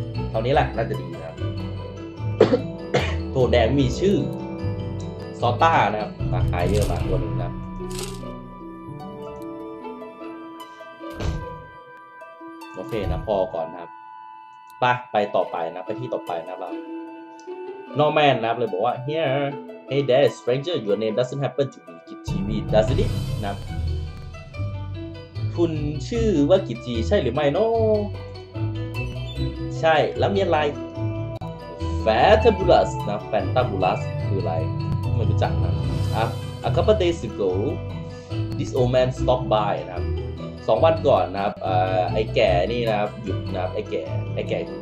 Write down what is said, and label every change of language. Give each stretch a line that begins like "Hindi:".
Thai: เท่านี้แหละน่าจะดีครับตัวแดงมีชื่อซอต้านะครับขายเยอะมากตัวนึงนะโอเคนะพอก่อนนะครับไปต่อไปนะไปที่ต่อไปนะครับ Norman นะครับเลยบอกว่า Here
English: Hey there, stranger, your name doesn't happen to be Kichimi, does it?
Thai: นะครับคุณชื่อว่ากิจิใช่หรือไม่เนาะใช่แล้วมีอะไร Fantabulous นะ Fantabulous คืออะไรไม่รู้จักนะ
English: A couple days ago, this old man stopped by
Thai: นะครับ2วันก่อนนะครับไอ้แก่นี่นะครับหยุดนะครับไอ้แก่